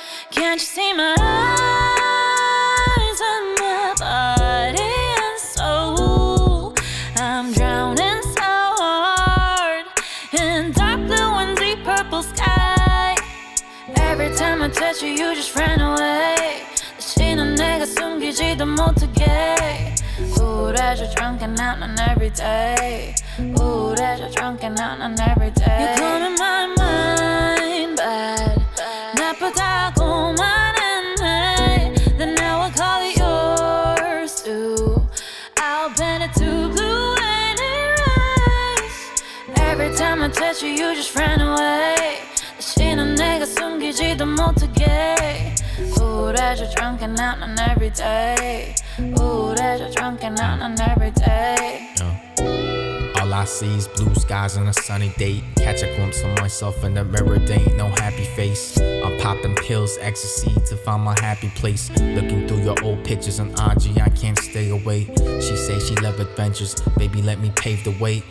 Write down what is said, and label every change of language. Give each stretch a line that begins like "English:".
English: Can't you see my eyes and my body and soul? I'm drowning so hard in dark blue and deep purple sky. Every time I touch you, you just ran away.
Korean: 다시는 내가 숨기지도 못하게. 우울해져
English: drunken out on every day. 우울해져 drunken out on every day. You're calling my mind bad.
Korean: 나쁘다고만 했네.
English: Then now I call it yours too. I'll paint it to blue and erase. Every time I touch you, you just ran away.
Korean: 다시는 내가 숨기지도 못하게. 우울해져
English: drunken out on every day. Ooh, that's a drunken out on every day. Yeah. All I see is blue skies on a sunny day. Catch a glimpse of myself in the mirror, there ain't no happy face. I'm popping pills, ecstasy to find my happy place. Looking through your old pictures on IG, I can't stay away. She say she love adventures, baby let me pave the way.